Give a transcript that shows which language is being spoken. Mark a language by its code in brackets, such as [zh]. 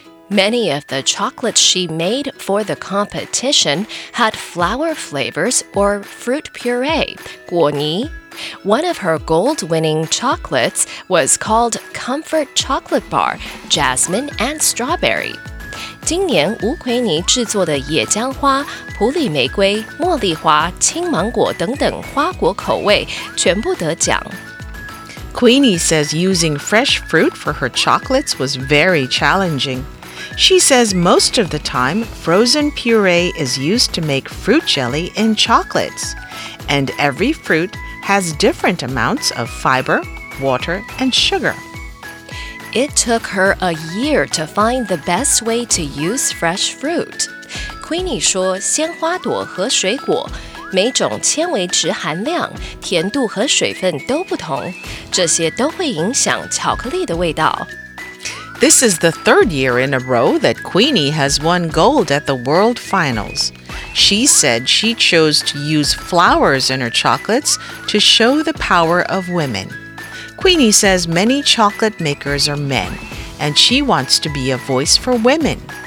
[en] Many of the chocolates she made for the competition had flower flavors or fruit puree, 果泥,One of her gold-winning chocolates was called Comfort Chocolate Bar, Jasmine and Strawberry. [zh] 今年吴奎尼制作的野姜花、普里玫瑰、茉莉花、青芒果等等花果口味全部得奖。 [en] Queenie says using fresh fruit for her chocolates was very challenging. She says most of the time, frozen puree is used to make fruit jelly in chocolates. And every fruit,has different amounts of fiber, water, and sugar. It took her a year to find the best way to use fresh fruit. [zh] Queenie 说鲜花朵和水果每种纤维质含量、甜度和水分都不同，这些都会影响巧克力的味道。 [en] This is the third year in a row that Queenie has won gold at the World Finals. She said she chose to use flowers in her chocolates to show the power of women. Queenie says many chocolate makers are men, and she wants to be a voice for women.